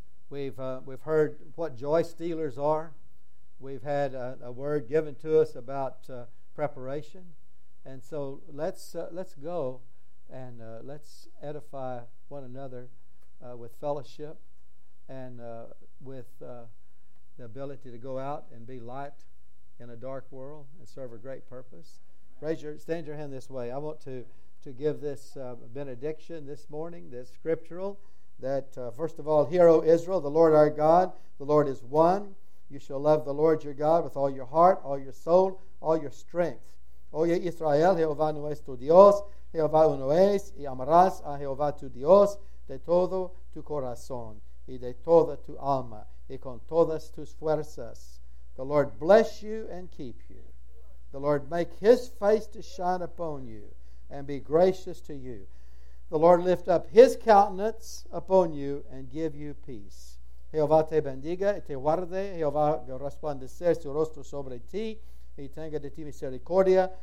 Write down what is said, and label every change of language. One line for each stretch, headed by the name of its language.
English: We've heard what joy stealers are. We've had a word given to us about preparation, and so let's go and let's edify one another with fellowship and with the ability to go out and be light in a dark world and serve a great purpose. Stand your hand this way. I want to give this benediction this morning, this scriptural, that first of all, hear, O Israel, the Lord our God, the Lord is one. You shall love the Lord your God with all your heart, all your soul, all your strength.
Spanish: Oye Israel, Jehová nuestro Dios, Jehová uno es, y amarás a Jehová tu Dios de todo tu corazón y de toda tu alma y con todas tus fuerzas.
English: The Lord bless you and keep you. The Lord make His face to shine upon you and be gracious to you. The Lord lift up His countenance upon you and give you peace.
Spanish: Jehová te bendiga y te guarde. Jehová resplandecer su rostro sobre ti y tenga de ti misericordia.